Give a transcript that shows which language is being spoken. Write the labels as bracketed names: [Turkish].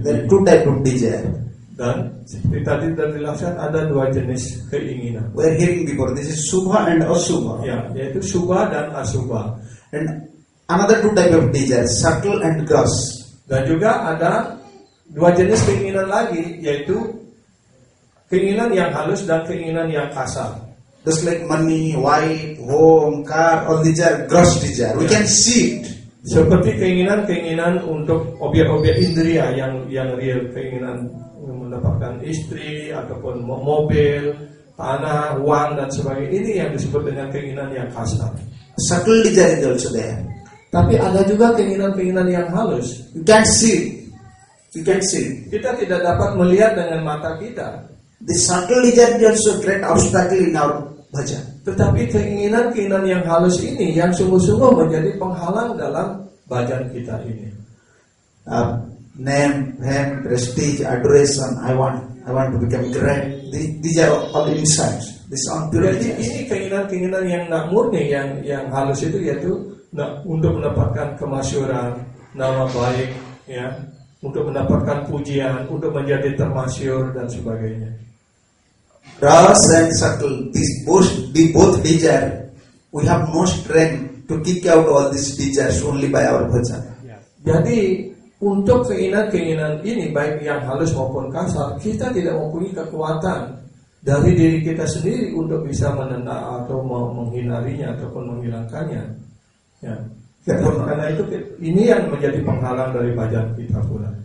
[English] There are two types of desire. [Indonesian] Dan seperti tadi dijelaskan ada dua jenis keinginan. [English] We are hearing before, this is Subha and Asubha. [Indonesian] Ya, yaitu Subha dan Asubha. [English] And another two type of desire, subtle and gross. [Indonesian] Dan juga ada dua jenis keinginan lagi, yaitu keinginan yang halus dan keinginan yang kasar. [English] Just like money, wife, home, car, all these are gross desire. We can see it. [Indonesian] Seperti keinginan-keinginan untuk objek-objek indria yang real, keinginan mendapatkan istri ataupun mobil, tanah, uang dan sebagainya, ini yang disebut dengan keinginan yang kasar. [English] Subtle desire is also there. [Indonesian] Tapi ada juga keinginan-keinginan yang halus. [English] You can see. You can see. [Indonesian] Kita tidak dapat melihat dengan mata kita. [English] The subtle desire is also great obstacle in our bhajan. [Indonesian] Tetapi keinginan-keinginan yang halus ini yang sungguh-sungguh menjadi penghalang dalam bhajan kita ini. [English] Name, fame, prestige, adoration, I want to become great. These are all insights. This on pure desire. [Indonesian] Jadi ini keinginan-keinginan yang tidak murni, yang halus itu, yaitu untuk mendapatkan kemasyhuran, nama baik, ya, untuk mendapatkan pujian, untuk menjadi termasyhur dan sebagainya. [English] Gross and subtle, these both desire, we have no strength to kick out all these desires only by our bhajan. [Indonesian] Jadi untuk keinginan-keinginan ini, baik yang halus maupun kasar, kita tidak mempunyai kekuatan dari diri kita sendiri untuk bisa menentang atau menghindarinya ataupun menghilangkannya. Ya. Karena itu ini yang menjadi penghalang dari bhajan kita pula.